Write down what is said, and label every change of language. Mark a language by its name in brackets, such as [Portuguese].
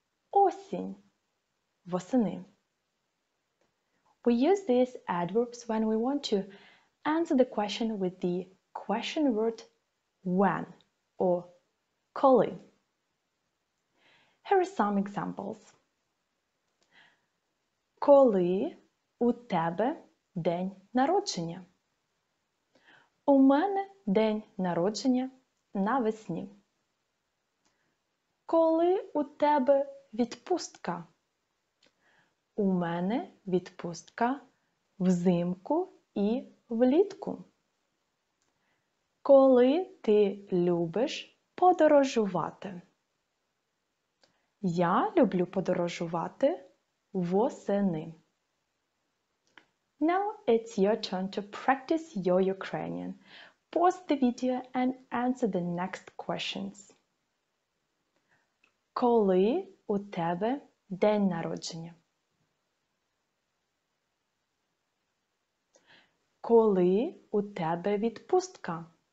[Ukrainian] Осінь – восени. [English] We use these adverbs when we want to answer the question with the question word when or коли. Here are some examples. [Ukrainian] Коли у тебе день народження? У мене день народження навесні. Коли у тебе відпустка? У мене відпустка взимку і влітку. Коли ти любиш подорожувати? Я люблю подорожувати восени. [English] Now it's your turn to practice your Ukrainian. Pause the video and answer the next questions. [Ukrainian] Коли у тебе день народження? Коли у тебе відпустка?